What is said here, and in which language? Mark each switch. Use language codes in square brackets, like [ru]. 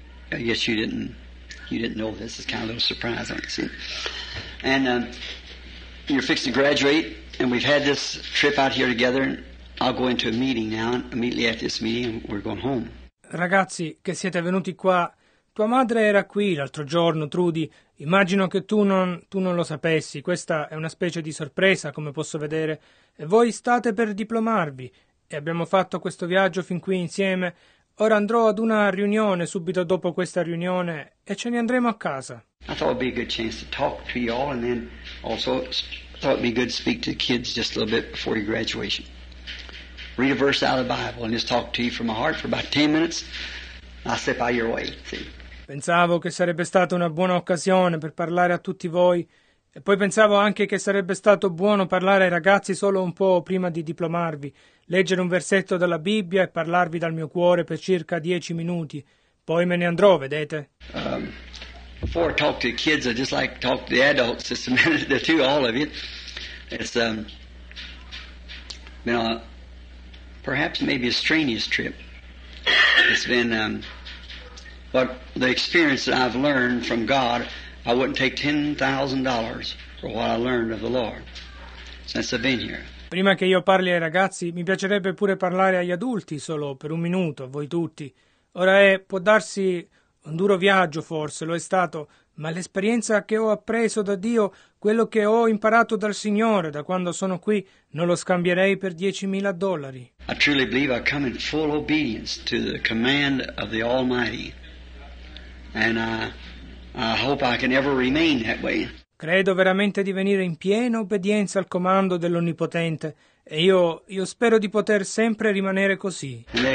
[en] I guess you didn't know this. It's kind of a little surprise, aren't you? See? And you're fixed to graduate, and we've had this trip out here together. And I'll go into a meeting now, and immediately after this meeting, we're going home. [it] Ragazzi, che siete venuti qua. Tua madre era qui l'altro giorno, Trudy. Immagino che tu non lo sapessi. Questa è una specie di sorpresa, come posso vedere. E voi state per diplomarvi. E abbiamo fatto questo viaggio fin qui insieme. Ora andrò ad una riunione subito dopo questa riunione e ce ne andremo a casa. [en] I thought it'd be a good chance to talk to you all, and then also thought it'd be good to speak to the kids just a little bit before your graduation. Read a verse out of the Bible and just talk to you from my heart for about 10 minutes. I'll step out of your way. See. [it] Pensavo che sarebbe stata una buona occasione per parlare a tutti voi e poi pensavo anche che sarebbe stato buono parlare ai ragazzi solo un po' prima di diplomarvi. Leggere un versetto dalla Bibbia e parlarvi dal mio cuore per circa 10 minuti. Poi me ne andrò, vedete? [en] Before I talk to the kids, I just like to talk to the adults, just a minute or two, all of you. It's been a, perhaps maybe a strenuous trip. It's been, but the experience that I've learned from God, I wouldn't take $10,000 for what I learned of the Lord since I've been here. [it] Prima che io parli ai ragazzi, mi piacerebbe pure parlare agli adulti, solo per un minuto, a voi tutti. Ora può darsi un duro viaggio, forse, lo è stato, ma l'esperienza che ho appreso da Dio, quello che ho imparato dal Signore da quando sono qui, non lo scambierei per $10,000. [en] I truly believe I come in full obedience to the command of the Almighty, and I hope I can ever remain that way. [it] Credo veramente di venire in piena obbedienza al comando dell'Onnipotente e io spero di poter sempre rimanere così.